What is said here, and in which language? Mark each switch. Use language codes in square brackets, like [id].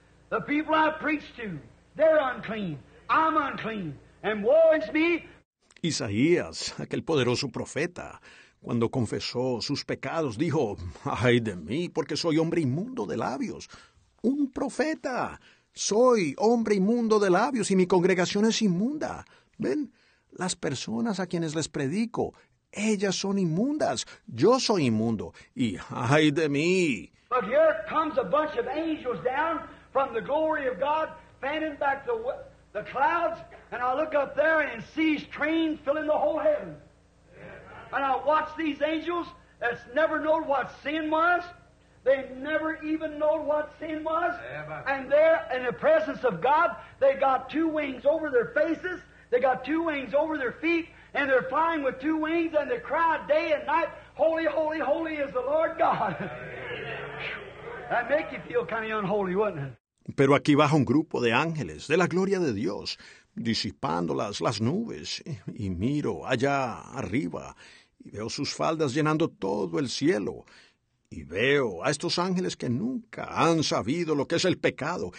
[en] The people I preach to, they're unclean. I'm unclean, and woe is me. [es] Isaías, aquel poderoso profeta, cuando confesó sus pecados, dijo, ¡Ay de mí, porque soy hombre inmundo de labios! ¡Un profeta! Soy hombre inmundo de labios, y mi congregación es inmunda. ¿Ven? Las personas a quienes les predico, ellas son inmundas, yo soy inmundo, y ¡ay de mí! [en] But here comes a bunch of angels down from the glory of God, fanning back the clouds, and I look up there and see his train filling the whole heaven. And I watch these angels that's never known what sin was, they never even known what sin was, and there in the presence of God, they got two wings over their faces, they got two wings over their feet, and they're flying with two wings, and they cry day and night, Holy, holy, holy is the Lord God. That make you feel kind of unholy, wouldn't it? [es] Pero aquí baja un grupo de ángeles, de la gloria de Dios, disipando las nubes, y miro allá arriba, y veo sus faldas llenando todo el cielo, y veo a estos ángeles que nunca han sabido lo que es el pecado.